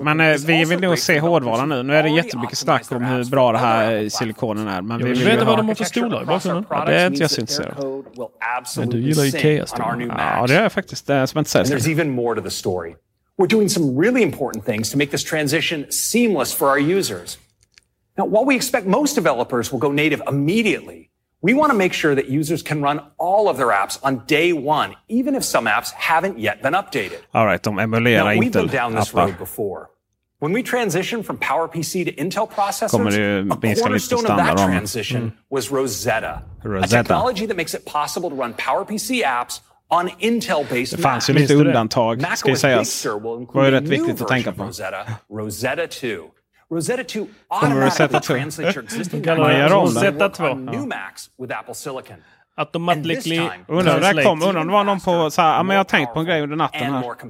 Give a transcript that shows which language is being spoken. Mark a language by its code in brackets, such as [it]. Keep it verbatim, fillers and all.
[sv] Men eh, vi vill nog se hårdvaran nu. Nu är det jättemycket snack om hur bra det här silikonen är. Men vi vet inte vad de har för stolar i bakgrunden. Ja, det är inte jag så intresserad. Men du gillar ju Ikea-stolar. Ja, det är faktiskt det som inte säger. [en] We're doing some really important things to make this transition seamless for our users. Now, while we expect most developers will go native immediately, we want to make sure that users can run all of their apps on day one, even if some apps haven't yet been updated. [sv] All right, de emulerar Intel. [en] We've been down this road before. When we transitioned from PowerPC to Intel processors, a cornerstone of that transition mm. was Rosetta, Rosetta, a technology that makes it possible to run PowerPC apps on Intel-based [sv] Macs. Det fanns ju lite undantag, ska ju sägas. Det var ju rätt viktigt att tänka på. [en] Rosetta, Rosetta two. Rosetta two automatically translates your existing new Macs with Apple Silicon. Automatically. [sv] Undrar det kom, undrar om det var någon på så här, men jag har tänkt på en grej under natten här.